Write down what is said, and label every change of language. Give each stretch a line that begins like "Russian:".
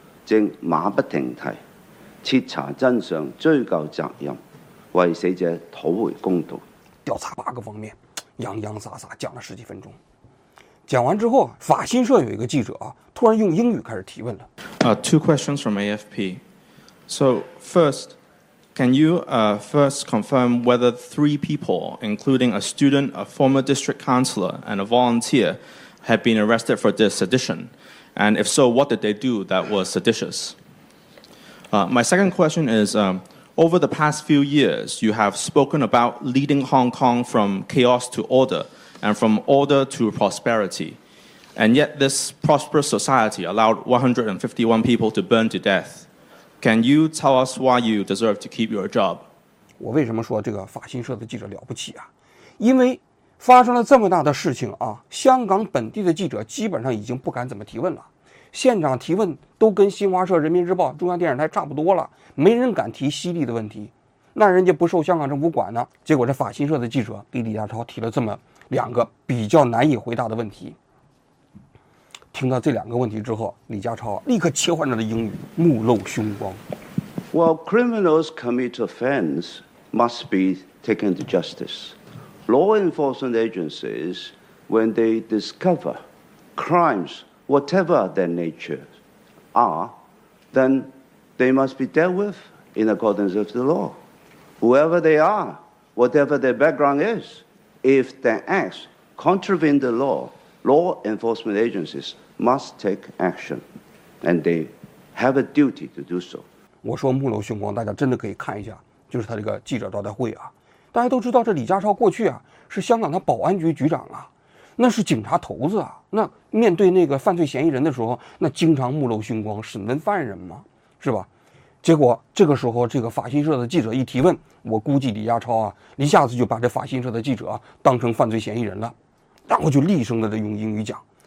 Chinese: 正馬不停蹄，徹查真相，追究責任，為死者討回公道。調查八個方面，洋洋灑灑講了十幾分鐘。讲完之后，法新社有一个记者突然用英语开始提问了。
English: Two questions from AFP. So first, can you first confirm whether three people, including a student, a former district councillor, and a volunteer, had been arrested for this sedition? And if so, what did they do that was seditious? My second question is, over the past few years, you have spoken about leading Hong Kong from chaos to order. And from order to prosperity. And yet this prosperous society allowed 151 people to burn to death. Can you tell us why you deserve to keep your job?
Chinese: 我为什么说这个法新社的记者了不起啊？因为发生了这么大的事情啊，香港本地的记者基本上已经不敢怎么提问了。现场提问都跟新华社、人民日报、中央电视台差不多了，没人敢提犀利的问题。那人家不受香港政府管呢，结果这法新社的记者给李家超提了这么两个比较难以回答的问题。听到这两个问题之后，李家超立刻切换他的英语，目露凶光。
English: Well, criminals commit offense must be taken to justice. Law enforcement agencies, when they discover crimes, whatever their nature are, then they must be dealt with in accordance with the law. Whoever they are, whatever their background is. If their acts contravene the law, law enforcement agencies must take action, and they have a duty to do so.
Chinese: 我说目露凶光，大家真的可以看一下，就是他这个记者招待会啊。大家都知道，这李家超过去啊是香港的保安局局长啊，那是警察头子啊。那面对那个犯罪嫌疑人的时候，那经常目露凶光审问犯人嘛，是吧？结果这个时候，这个法新社的记者一提问，我估计李家超啊一下子就把这法新社的记者当成犯罪嫌疑人了，然后就厉声的用英语讲